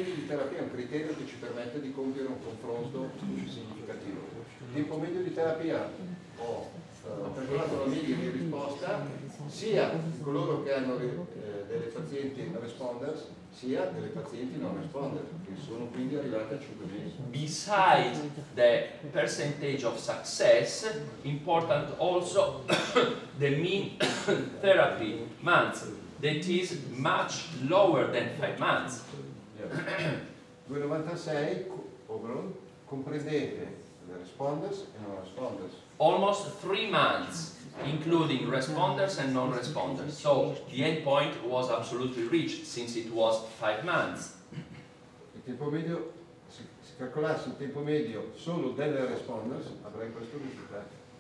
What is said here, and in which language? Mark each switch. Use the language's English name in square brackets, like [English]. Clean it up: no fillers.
[Italian] periodo di terapia è un criterio che ci permette di compiere un confronto significativo. Tempo medio di terapia ho calcolato la media di risposta sia coloro che hanno delle pazienti responders sia delle pazienti non responder, che sono quindi arrivate a 5 mesi. [English] Besides the percentage of success, important also the mean therapy months, that is much lower than 5 months. Yes. 2,96 overall, comprendete the responders and non-responders. Almost 3 months, including responders and non-responders. So the endpoint was absolutely reached since it was 5 months. [Italian] Il tempo medio, se calcolassi il tempo medio solo delle responders, avrei questo risultato.